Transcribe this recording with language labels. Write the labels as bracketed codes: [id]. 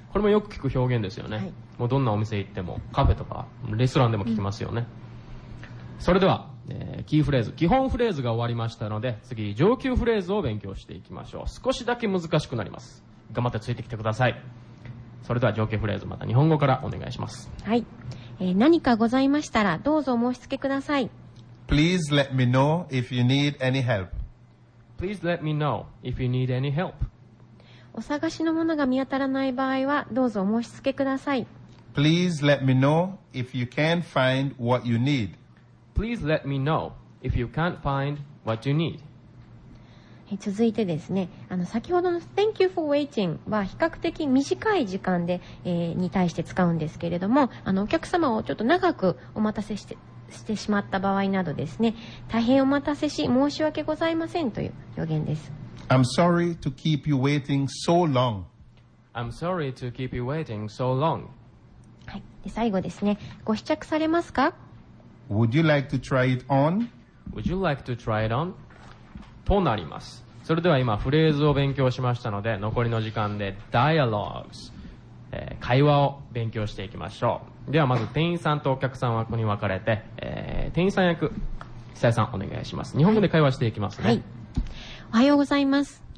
[ja] これもよく聞く表現ですよね、はい、もうどんなお店行ってもカフェとかレストランでも聞きますよね、うん、それでは、キーフレーズ、基本フレーズが終わりましたので、次上級フレーズを勉強していきましょう。少しだけ難しくなります。頑張ってついてきてください。それでは上級フレーズ、また日本語からお願いします。はい、何かございましたらどうぞお申し付けください。 [en] Please let me know if you need any help. Please let me know if you need any help. [ja] お探しのものが見当たらない場合はどうぞお申し付けください。 [en] Please let me know if you can't find what you need. Please let me know if you can't find what you need. [ja] 続いてですね、先ほどの [en] Thank you for waiting [ja] は比較的短い時間で、に対して使うんですけれども、お客様をちょっと長くお待たせしてしまった場合などですね、大変お待たせし申し訳ございませんという表現です。 [en] I'm sorry to keep you waiting so long. I'm sorry to keep you waiting so long. [ja] はい、で最後ですね、ご試着されますか？ [en] Would you like to try it on? Would you like to try it on? [ja] となります。それでは今フレーズを勉強しましたので、残りの時間で dialogues、会話を勉強していきましょう。ではまず店員さんとお客さんはここに分かれて、店員さん役、久江さんお願いします。日本語で会話していきますね、はい、おはようございます。